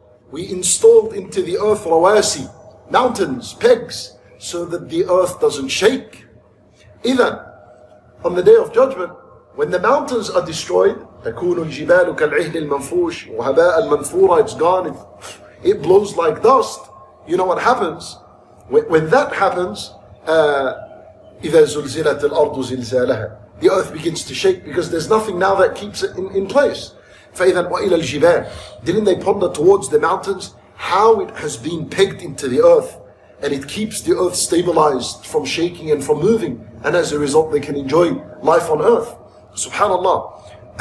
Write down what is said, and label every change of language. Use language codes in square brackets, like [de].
[en] We installed into the earth rawasi, mountains, pegs, so that the earth doesn't shake. إذن, on the Day of Judgment, when the mountains are destroyed, [ar] تَكُونُ الْجِبَالُ كَالْعِهْنِ الْمَنْفُوشِ وَهَبَاءَ الْمَنْفُورَ. [en] It's gone, it blows like dust. You know what happens? When that happens, [ar] إِذَا زُلْزِلَتِ الْأَرْضُ زِلْزَالَهَا. [en] The earth begins to shake because there's nothing now that keeps it in place. [ar] فَإِذَا وَإِلَى الْجِبَالِ. [en] Didn't they ponder towards the mountains? How it has been pegged into the earth and it keeps the earth stabilized from shaking and from moving. And as a result, they can enjoy life on earth. SubhanAllah.